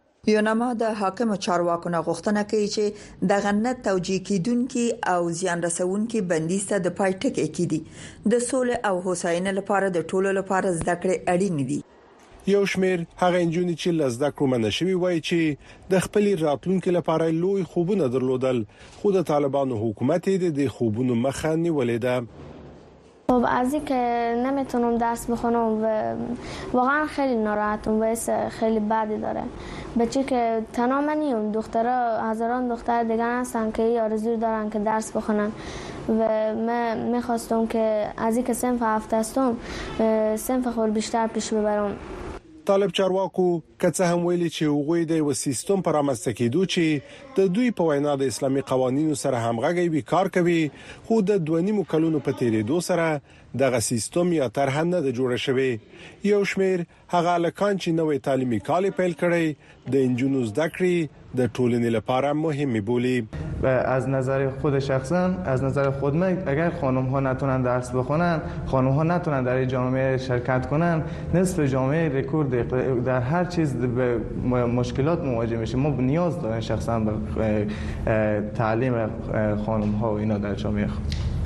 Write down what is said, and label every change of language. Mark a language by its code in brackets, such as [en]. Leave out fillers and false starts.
[ps] یونما د حاکم چارواکو نه غوښتنه کوي چې دغه نه توجیه کیدونکي او زیان رسوونکي بندي ست د پایټک اکیدي د سولې او هوساینې لپاره د ټولو لپاره زده کړې اړینې دي. یو شمیر هغه انجونی چې له زده کړو منه شوي وایي چې د خپلې راتلونکي لپاره لوی خوبونه درلودل، خو د طالبانو حکومت یې د دې خوبونو مخه نیولې ده. [fa] خب از اینکه نمیتونم درس بخونم و واقعا خیلی ناراحتم، باید خیلی بدی داره. بچه که تنها منی و دخترها، هزاران دختر دیگر هستن که یه آرزو دارن که درس بخونن و من میخواستم که از اینکه صنف هفت هستم صنف خور بیشتر پیش ببرم. [ps] طالب چارواکو که څه هم ویلی چې هغوی د یوه سیستم په رامنځته کیدو چې د دوی په وینا د اسلامي قوانینو سره همغږی وي کار کوي، خو د دوه نیمو کلونو په تیریدو سره دغه سیستم یا طرحه نه ده جوړه شوې. یو شمیر هغه هلکان چې نوی تعلیمي کال یې پیل کړی د انجونو زده کړې د ټولنې لپاره مهمې بولي. [fa] از نظر خود شخصا، از نظر خود من، اگر خانم ها نتونن درس بخونن، خانم ها نتونن در جامعه شرکت کنن، نصف جامعه رکورد در هر چیز به مشکلات مواجه میشه. ما نیاز داریم شخصا به تعلیم خانم ها و اینا در جامعه خود.